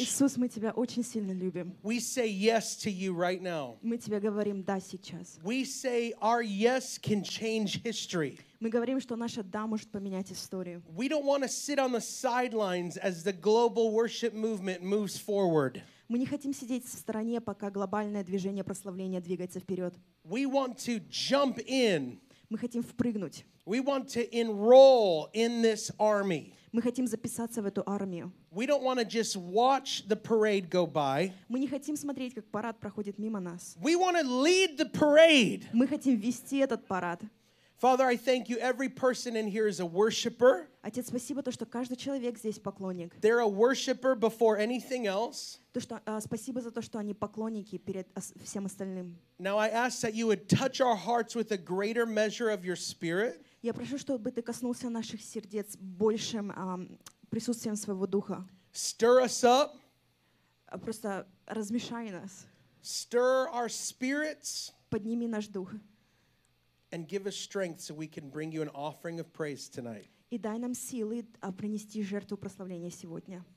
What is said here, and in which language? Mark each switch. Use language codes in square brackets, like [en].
[ru] Иисус, мы тебя очень сильно любим. [en] We say yes to you right now. [ru] Мы тебе говорим да сейчас. [en] We say our yes can change history. [ru] Мы говорим, что наше «да» может поменять историю. [en] We don't want to sit on the sidelines as the global worship movement moves forward. [ru] Мы не хотим сидеть в стороне, пока глобальное движение прославления двигается вперед. [en] We want to jump in. [ru] Мы хотим впрыгнуть. [en] We want to enroll in this army. [ru] Мы хотим записаться в эту армию. [en] We don't want to just watch the parade go by. [ru] Мы не хотим смотреть, как парад проходит мимо нас. [en] We want to lead the parade. [ru] Мы хотим вести этот парад. [en] Father, I thank you. Every person in here is a worshipper. [ru] Отец, спасибо то, что каждый человек здесь поклонник. [en] They're a worshipper before anything else. [ru] То что спасибо за то, что они поклонники перед всем остальным. [en] Now I ask that you would touch our hearts with a greater measure of your Spirit. [ru] Я прошу, чтобы ты коснулся наших сердец большим присутствием своего духа. [en] Stir us up. [ru] Просто размешай нас. [en] Stir our spirits. [ru] Подними наш дух. [en] And give us strength so we can bring you an offering of praise tonight. [ru] И дай нам силы принести жертву прославления сегодня.